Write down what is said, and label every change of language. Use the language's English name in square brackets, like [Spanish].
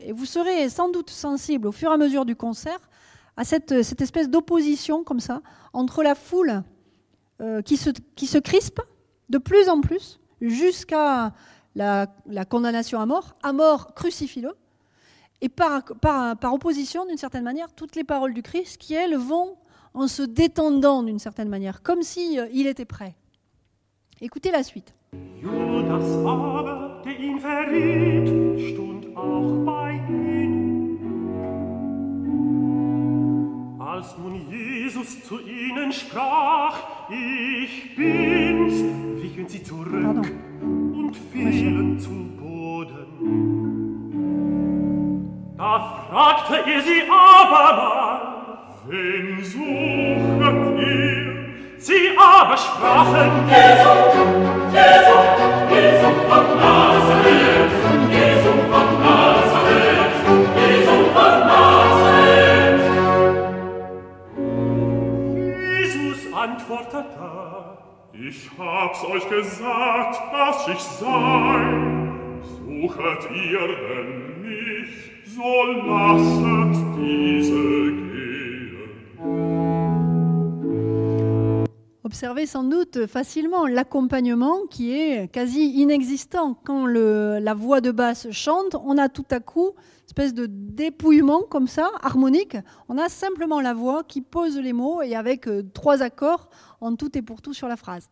[French] Et vous serez sans doute sensible au fur et à mesure du concert à cette espèce d'opposition comme ça entre la foule qui se crispe de plus en plus jusqu'à la condamnation à mort crucifie-le, et par opposition, d'une certaine manière, toutes les paroles du Christ qui, elles, vont en se détendant d'une certaine manière, comme si il était prêt. Écoutez la suite. [German] Judas aber, ihn verriet, stund auch bei ihnen. Als nun Jesus zu ihnen sprach, ich bin's, wichen sie zurück. Pardon. Und fielen zu Boden. Da fragte er sie abermal, wen sucht ihr? Sie aber sprachen, Jesu, Jesu, Jesu von Nazareth, Jesu von Nazareth, Jesu von Nazareth. Jesus antwortete, ich hab's euch gesagt, was ich sei. Suchet ihr denn mich, so lasset diese gehen. [French] Observez sans doute facilement l'accompagnement qui est quasi inexistant. Quand la voix de basse chante, on a tout à coup une espèce de dépouillement comme ça, harmonique. On a simplement la voix qui pose les mots et avec trois accords en tout et pour tout sur la phrase.